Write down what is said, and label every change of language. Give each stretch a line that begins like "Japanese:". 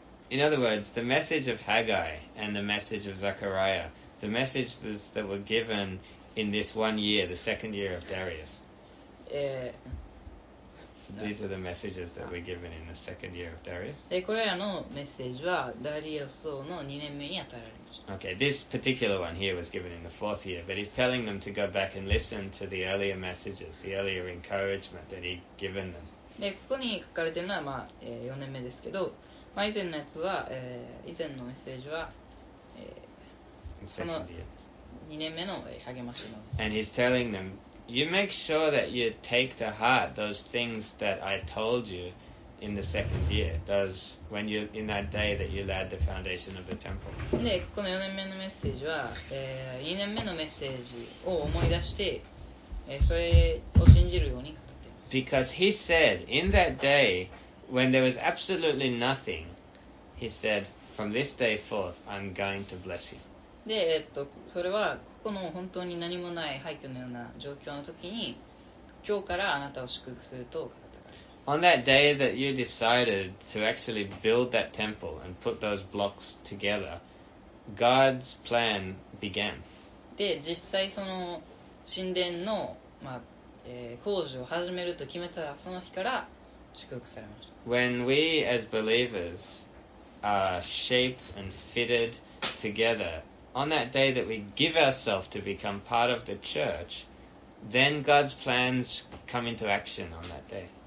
English: In other words, the message of Haggai and the message of Zechariah, the messages that were given in this one year, the second year of Darius. These are the messages that were given in the second year of Darius.
Japanese: これらのメッセージはダリオ王の2年目に与えられました。
English: Okay, this particular one here was given in the fourth year, but he's telling them to go back and listen to the earlier messages, the earlier encouragement that he'd given them.
Japanese: でここに書かれているのは、まあ4年目ですけど、まあ、以前のやつは、以前のメッセージは、その2年目の励ましのです
English: 。And he's telling them, you make sure that you take to heart those things that I told you in the second year, those when you in that day that you laid the foundation of the temple.
Japanese: でここの4年目のメッセージは、2年目のメッセージを思い出して、それを信じるように。
English: Because he said, in that day, when there was absolutely nothing, he said, from this day forth, I'm going to bless you.
Japanese: で、それはここの本当に何もない廃墟のような状況の時に、今日からあなたを祝福すると語ったからです。
English: On that day that you decided to actually build that temple and put those blocks together, God's plan began.
Japanese: で、実際その神殿の、まあ工事を始めると決めたその日から祝福されました。
English: When we as believers are shaped and fitted together. On that day that we give ourselves to become part of the church, then God's plans come into action on that day.